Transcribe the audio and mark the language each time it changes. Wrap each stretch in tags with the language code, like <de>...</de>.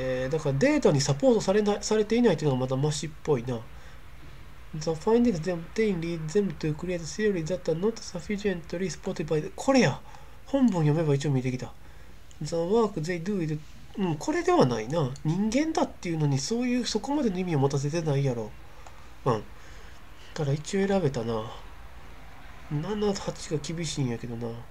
<ja>だからデータにサポートされていないというのがまだマシっぽいな。</ja> <en>The findings they obtain lead them to create theories that are not sufficiently supported by the...</en> <ja>これや。本文読めば一応見えてきた。</ja> <en>The work they do is...</en> <ja>これではないな。人間だっていうのにそういうそこまでの意味を持たせてないやろ。から一応選べたな。78が厳しいんやけどな。</ja>